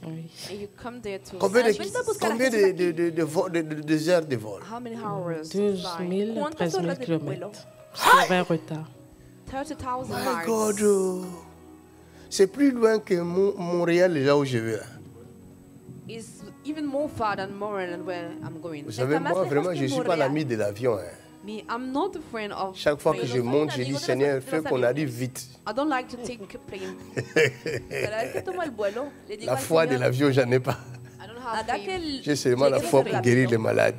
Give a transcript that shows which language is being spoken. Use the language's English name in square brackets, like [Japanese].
[English] And you come there to [French] combien de heures de vol? 2 000, 13 000 kilomètres. C'est un retard. [English] 30,000 miles. My God, [French] c'est plus loin que Montréal là où je vais. [English] It's even more far than Montréal where I'm going. [French] Vous savez, moi vraiment, je suis pas l'ami de l'avion. Hein. [English] Me, I'm not a friend of [French] chaque fois que je monte, je dis Seigneur, fais qu'on arrive vite. [English] I don't like to take a plane. [French] La foi de l'avion, j'en ai pas. [English] I don't have faith. [French] J'ai seulement la foi pour guérir les malades.